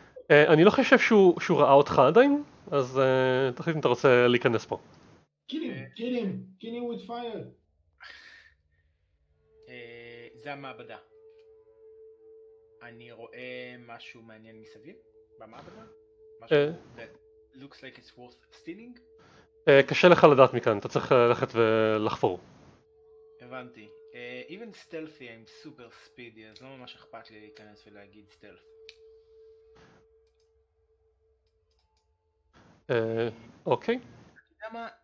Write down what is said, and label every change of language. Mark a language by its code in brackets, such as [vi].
[he] אני לא חושב שהוא ראה אותך עדיין, אז תחליט אם אתה רוצה להיכנס פה. [en] Kill him with fire. [he] זה המעבדה. אני רואה משהו מעניין מסביב במעבדה? משהו [en] that looks like it's worth stealing? [he] קשה לך לדעת מכאן, אתה צריך ללכת ולחפור. הבנתי. [en] Even stealthy, I'm super speedy, [he] אז לא ממש אכפת לי להיכנס ולהגיד stealth. אוקיי. למה?